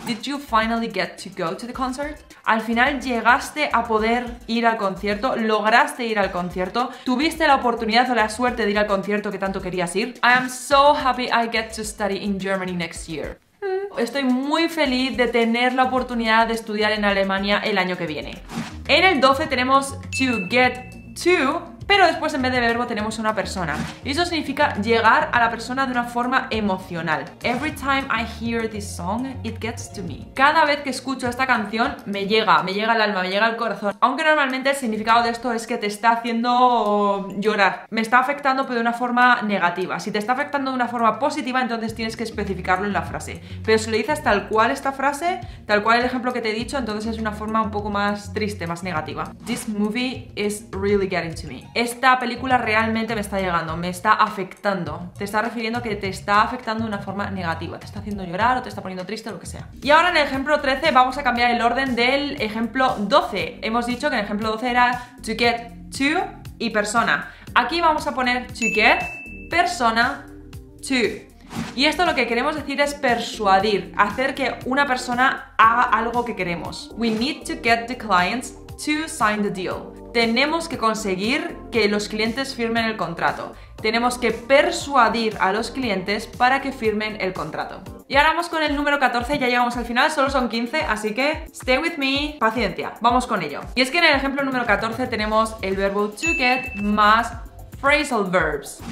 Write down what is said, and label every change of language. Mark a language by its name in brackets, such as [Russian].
[English] Did you finally get to go to the concert? [Spanish] Al final llegaste a poder ir al concierto, lograste ir al concierto, tuviste la oportunidad o la suerte de ir al concierto que tanto querías ir. [English] I am so happy I get to study in Germany next year. [Spanish] Estoy muy feliz de tener la oportunidad de estudiar en Alemania el año que viene. En el 12 tenemos to get to pero después en vez de verbo tenemos una persona. Y eso significa llegar a la persona de una forma emocional. [English] Every time I hear this song, it gets to me. [Spanish] Cada vez que escucho esta canción, me llega al alma, me llega al corazón. Aunque normalmente el significado de esto es que te está haciendo llorar. Me está afectando, pero de una forma negativa. Si te está afectando de una forma positiva, entonces tienes que especificarlo en la frase. Pero si lo dices tal cual esta frase, tal cual el ejemplo que te he dicho, entonces es una forma un poco más triste, más negativa. [English] This movie is really getting to me. [Spanish] Esta película realmente me está llegando, me está afectando. Te está refiriendo que te está afectando de una forma negativa. Te está haciendo llorar o te está poniendo triste o lo que sea. Y ahora en el ejemplo 13 vamos a cambiar el orden del ejemplo 12. Hemos dicho que en el ejemplo 12 era to get to y persona. Aquí vamos a poner to get, persona, to. Y esto lo que queremos decir es persuadir, hacer que una persona haga algo que queremos. [English] We need to get the clients to sign the deal. [Spanish] Tenemos que conseguir que los clientes firmen el contrato. Tenemos que persuadir a los clientes para que firmen el contrato. Y ahora vamos con el número 14, ya llegamos al final, solo son 15, así que [English] stay with me, [Spanish] paciencia, vamos con ello. Y es que en el ejemplo número 14 tenemos el verbo to get más phrasal verbs.